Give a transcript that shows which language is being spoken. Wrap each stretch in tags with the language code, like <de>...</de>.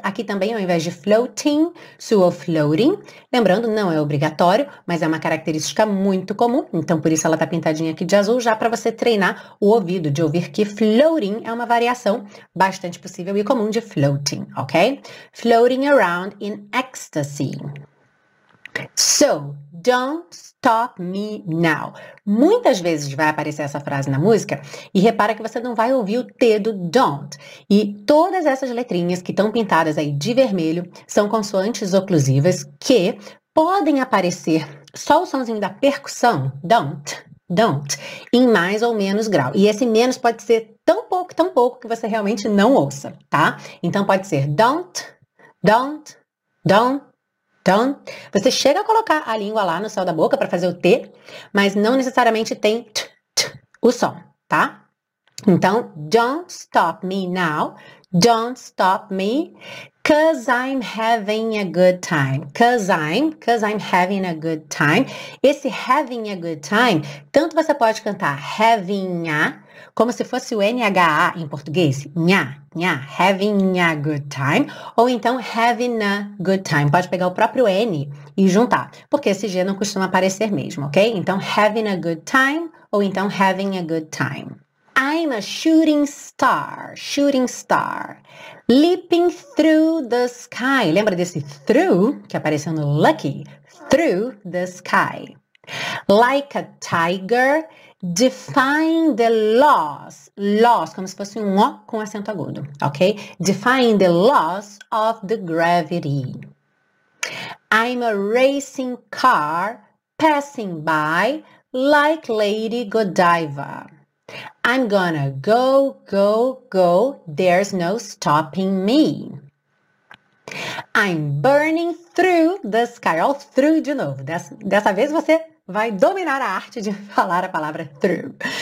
<pt>Aqui também, ao invés de floating, sou floating. Lembrando, não é obrigatório, mas é uma característica muito comum. Então, por isso ela tá pintadinha aqui de azul, já para você treinar o ouvido de ouvir que floating é uma variação bastante possível e comum de floating, ok?</pt> <en>Floating around in ecstasy. So, don't stop me now.</en> <pt>Muitas vezes vai aparecer essa frase na música e repara que você não vai ouvir o T do don't. E todas essas letrinhas que estão pintadas aí de vermelho são consoantes oclusivas que podem aparecer só o sonzinho da percussão, don't, don't, em mais ou menos grau. E esse menos pode ser tão pouco que você realmente não ouça, tá? Então pode ser don't, don't, don't. Então, você chega a colocar a língua lá no céu da boca para fazer o T, mas não necessariamente tem t, t, o som, tá?</pt> <en>Então, don't stop me now, don't stop me, cause I'm having a good time. Cause I'm having a good time.</en> <pt>Esse</pt> <en>having a good time,</en> <pt>tanto você pode cantar having a, como se fosse o NHA em português, nha, nha, having a good time, ou então having a good time, pode pegar o próprio N e juntar, porque esse G não costuma aparecer mesmo, ok? Então, having a good time, ou então</pt> <en>having a good time. I'm a shooting star, shooting star. Leaping through the sky.</en> <pt>Lembra desse through que apareceu no lucky?</pt> <en>Through the sky. Like a tiger, defying the laws.</en> <pt>Laws, como se fosse um O com acento agudo, ok?</pt> <en>Defying the laws of the gravity. I'm a racing car passing by like Lady Godiva. I'm gonna go, go, go, there's no stopping me. I'm burning through the sky, all through</en> <pt>de novo. Dessa vez você vai dominar a arte de falar a palavra through.</pt>